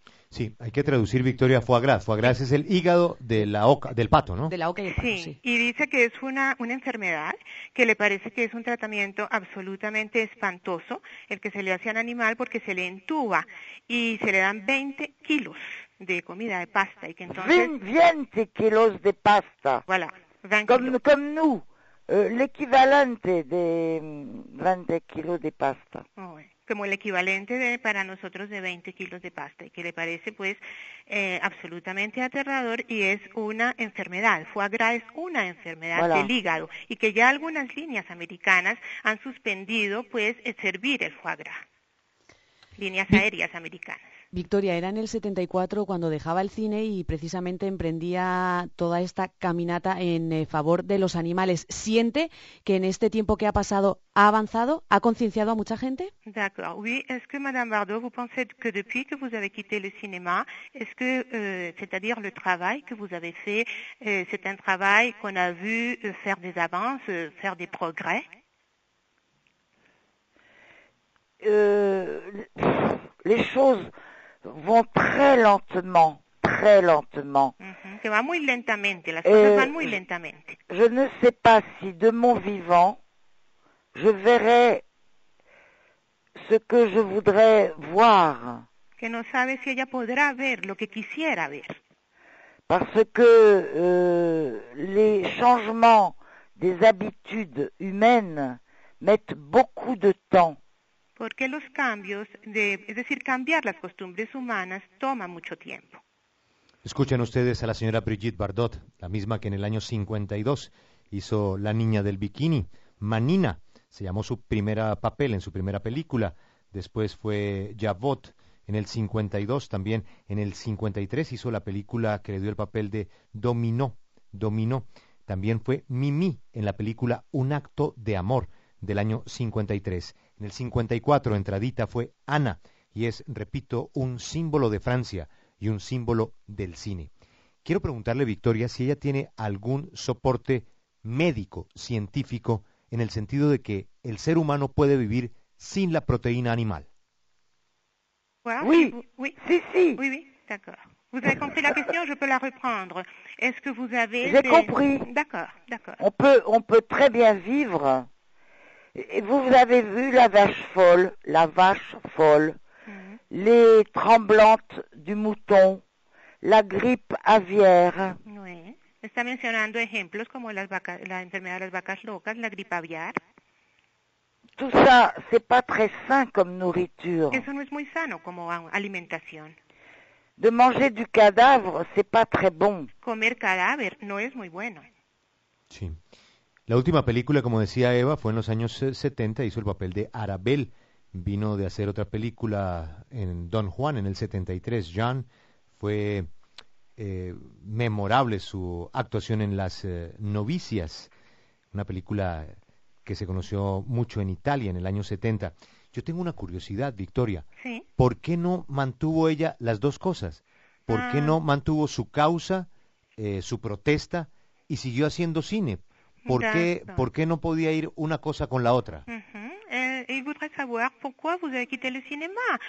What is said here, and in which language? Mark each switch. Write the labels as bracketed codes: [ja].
[es] Sí, hay que traducir, Victoria, foie gras es el hígado de la oca, del pato, ¿no? De la oca y el pato, sí. Y dice que es una enfermedad que le parece que es un tratamiento absolutamente espantoso, el que se le hace al animal porque se le entuba y se le dan 20 kilos de comida, de pasta, y que entonces... 20 kilos de pasta. [fr] Voilà, 20 [es] kilos. Como [fr] nous, l'équivalente de 20 kilos de pasta. [es] Oh, como el equivalente de para nosotros de 20 kilos de pasta, y que le parece pues absolutamente aterrador, y es una enfermedad. Foie gras es una enfermedad [fr] voilà. [es] Del hígado, y que ya algunas líneas americanas han suspendido pues servir el foie gras, líneas aéreas americanas. Victoria, era en el 74 cuando dejaba el cine y precisamente emprendía toda esta caminata en favor de los animales. ¿Siente que en este tiempo que ha pasado ha avanzado, ha concienciado a mucha gente? [fr] D'accord. Oui, est-ce que madame Bardot, vous pensez que depuis que vous avez quitté le cinéma, est-ce que c'est-à-dire le travail que vous avez fait, c'est un travail qu'on a vu faire des avances, faire des progrès? Les choses vont très lentement, très lentement. Mm-hmm. [es] Que va muy lentamente, las cosas van muy lentamente. [fr] Je ne sais pas si de mon vivant, je verrai ce que je voudrais voir. [es] Que no sabe si ella podrá ver lo que quisiera ver. [fr] Parce que les changements des habitudes humaines mettent beaucoup de temps. [es] Porque los cambios, es decir, cambiar las costumbres humanas, toma mucho tiempo. Escuchen ustedes a la señora Brigitte Bardot, la misma que en el año 52 hizo La niña del bikini, Manina, se llamó su primera papel en su primera película. Después fue Javotte en el 52, también en el 53 hizo la película que le dio el papel de Dominó. También fue Mimi en la película Un acto de amor del año 53. En el 54, entradita, fue Ana, y es, repito, un símbolo de Francia y un símbolo del cine. Quiero preguntarle, Victoria, si ella tiene algún soporte médico, científico, en el sentido de que el ser humano puede vivir sin la proteína animal. [fr] Oui, oui, [es] sí, sí. [fr] Oui, oui, d'accord. Vous avez compris la question, je peux la reprendre. Est-ce que vous avez... J'ai compris. D'accord, d'accord. On peut très bien vivre... Vous avez vu la vache folle, les tremblantes du mouton, la grippe aviaire. [es] Oui, está mencionando ejemplos como la enfermedad de las vacas locas, [fr] la grippe aviaire. Tout ça, c'est pas très sain comme nourriture. [es] Eso no es muy sano como alimentación. [fr] De manger du cadavre, c'est pas très bon. [es] Comer cadáver no es muy bueno. Sí. La última película, como decía Eva, fue en los años 70, hizo el papel de Arabel. Vino de hacer otra película en Don Juan, en el 73, Jean. Fue memorable su actuación en Las novicias, una película que se conoció mucho en Italia en el año 70. Yo tengo una curiosidad, Victoria. ¿Sí? ¿Por qué no mantuvo ella las dos cosas? ¿Por qué no mantuvo su causa, su protesta, y siguió haciendo cine? ¿Por qué no podía ir una cosa con la otra? Uh-huh. [fr] Il voudrait savoir pourquoi vous avez quitté le cinéma.